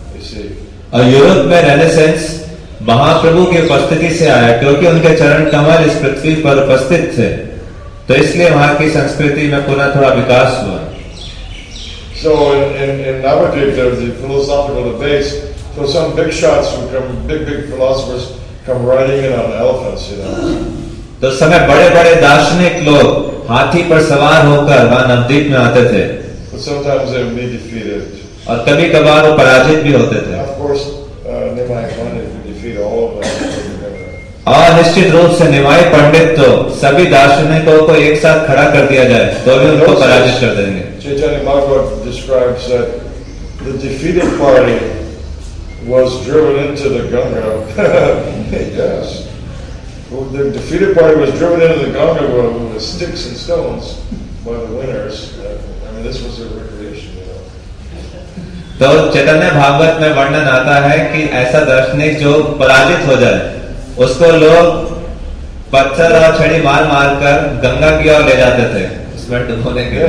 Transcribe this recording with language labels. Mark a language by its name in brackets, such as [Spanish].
[English] You see. [Hindi] और Europe में renaissance महाप्रभु की उपस्थिति से आया क्योंकि उनके चरण कमल इस पृथ्वी पर उपस्थित थे तो इसलिए वहां की संस्कृति में पुनः थोड़ा विकास हुआ. [English] So in nowadays there's the philosophical debate. So some big shots who come, big philosophers come riding in on elephants, you know. [Hindi] तो समय बड़े-बड़े दार्शनिक लोग हाथी पर सवार होकर वहां नवद्वीप में आते थे. [English] But sometimes they would be defeated. [Hindi] और कभी-कभार वो पराजित भी होते थे. [English] Of course, Nimai Pandit would defeat all of them. [Hindi] और निश्चित रूप से निमाई पंडित तो सभी दार्शनिकों को एक साथ खड़ा कर दिया जाए तो भी उनको पराजित कर देंगे. [English] Chaitanya Mahaprabhu describes that the defeated party was driven into the Ganga. Yes. The defeated party was driven into the Ganga with sticks and stones by the winners. I mean, this was their recreation. [Hindi] तो चैतन्य भागवत में वर्णन आता है कि ऐसा दार्शनिक जो पराजित हो जाए उसको लोग पत्थर और छड़ी मार मार कर गंगा की ओर ले जाते थे उसमें डुबोने के